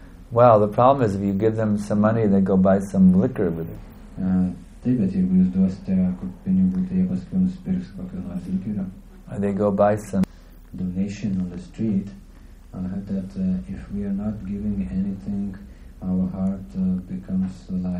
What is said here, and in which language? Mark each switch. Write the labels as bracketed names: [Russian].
[English] Well, the problem is if you give them some money, they go buy some liquor with it. [Lithuanian] Taip, bet jeigu jūs duosite pinigų, tai jie paskui nusipirks kokią nors likerą. [English] Or they go buy some donation on the street. I heard that if we are not giving anything, our heart becomes like...